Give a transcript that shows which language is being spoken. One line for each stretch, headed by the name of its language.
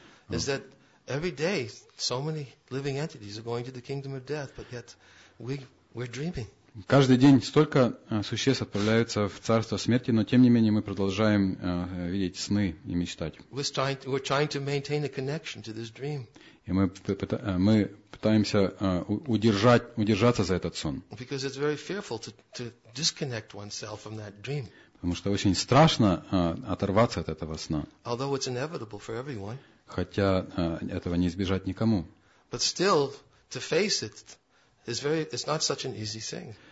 English: Is that every day so many living entities are going to the kingdom of death, but yet we're dreaming.
Russian: Каждый день столько существ отправляются в царство смерти, но тем не менее мы продолжаем видеть сны и мечтать.
English: We're trying to maintain a connection to this dream.
Russian: И мы пытаемся удержаться за этот сон.
English: Because it's very fearful to disconnect oneself from that dream.
Russian: Потому что очень страшно оторваться от этого сна.
English: Although it's inevitable for everyone.
Russian: Хотя этого не избежать никому.
English: But still, to face it is very—it's not such an easy thing.